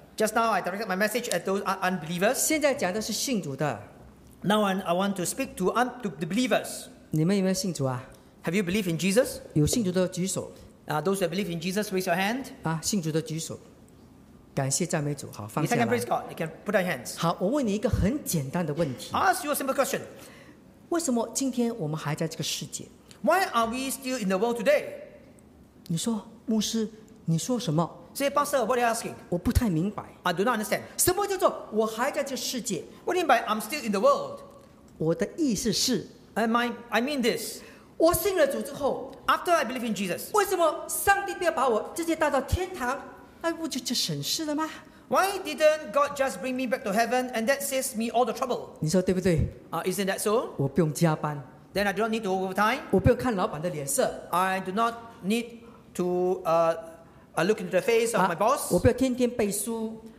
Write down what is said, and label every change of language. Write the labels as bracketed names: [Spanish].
[English] Just now I directed my message at those unbelievers. [Chinese] 现在讲的是信主的。 [English] Now I want to speak to the believers. [Chinese] 你们有没有信主啊 [English] ？Have you believe in Jesus? [Chinese] 有信主的举手。 [English] Those that believe in Jesus, raise your hand. [Chinese] 信主的举手。感谢赞美主，好放下来。 [English] You can praise God. You can put your hands. [Chinese] 好，我问你一个很简单的问题。 [English] Ask you a simple question. [Chinese] 为什么今天我们还在这个世界 [English] ？Why are we still in the world today? [Chinese] 你说，牧师，你说什么 [English] ？Say, Pastor, what are you asking? [Chinese] 我不太明白。 [English] I do not understand. [Chinese] 什么叫做我还在这个世界 [English] ？What do you mean by I'm still in the world? [Chinese] 我的意思是 [English] ，I mean this. [Chinese] 我信了主之后 [English] ，After I believe in Jesus, [Chinese] 为什么上帝不要把我直接带到天堂？那不就省事了吗 [English] ？Why didn't God just bring me back to heaven and that saves me all the trouble？ [Chinese] 你说对不对 [English] ？Isn't that so？ [Chinese] 我不用加班 [English] ，Then I do not need to overtime。 [Chinese] 我不用看老板的脸色 [English] ，I do not need to look into the face of my boss。 [Chinese] 我不要天天背书